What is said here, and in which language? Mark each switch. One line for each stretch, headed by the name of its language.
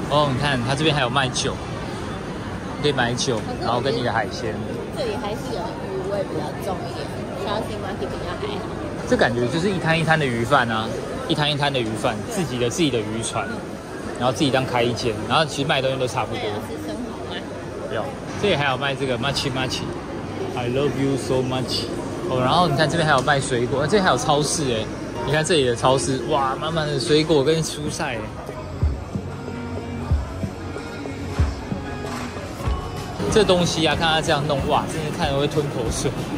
Chinese: 哦，你看它这边还有卖酒，可以买酒，然后跟你的海鲜。这里还是有鱼味比较重一点，其他地方是比较还好。这感觉就是一摊一摊的鱼贩啊，一摊一摊的鱼贩，自己的渔船，然后自己当开一间，然后其实卖东西都差不多。这里还有卖这个 Machi Machi，
English: I love you so much。
Chinese: 哦，然后你看这边还有卖水果，这里还有超市哎，你看这里的超市，哇，满满的水果跟蔬菜哎。这东西啊，看它这样弄，哇，真的看得会吞口水。